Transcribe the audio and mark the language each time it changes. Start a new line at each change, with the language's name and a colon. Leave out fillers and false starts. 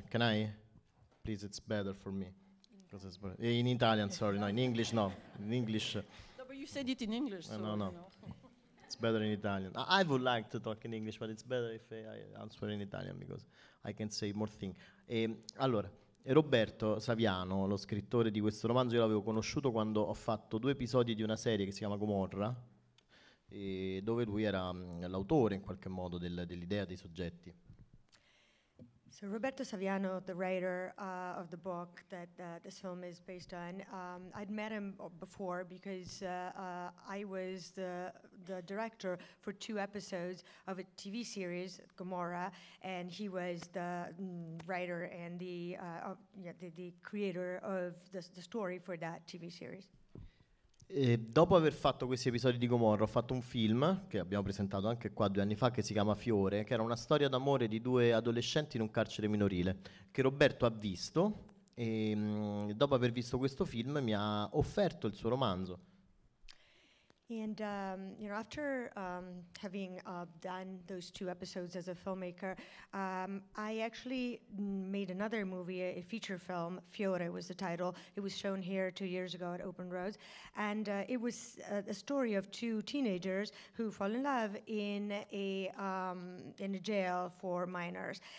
English: Can I? Please, it's better for me. In Italian, sorry, no, in English, no. In English. No, but you said it in English. No. It's better in Italian. I would like to talk in English, but it's better if I answer in Italian because I can say more things.
Italian: Allora, Roberto Saviano, lo scrittore di questo romanzo, io l'avevo conosciuto quando ho fatto due episodi di una serie che si chiama Gomorrah, e dove lui era l'autore in qualche modo dell'idea dei soggetti.
English: So Roberto Saviano, the writer of the book that this film is based on, I'd met him before because I was the director for two episodes of a TV series, Gomorrah, and he was the writer and the creator of the story for that TV series.
Italian: E dopo aver fatto questi episodi di Gomorra ho fatto un film che abbiamo presentato anche qua 2 anni fa che si chiama Fiore, che era una storia d'amore di 2 adolescenti in un carcere minorile che Roberto ha visto e dopo aver visto questo film mi ha offerto il suo romanzo.
English: And you know, after having done those two episodes as a filmmaker, I actually made another movie, a feature film. Fiore was the title. It was shown here 2 years ago at Open Roads, and it was a story of two teenagers who fall in love in a jail for minors.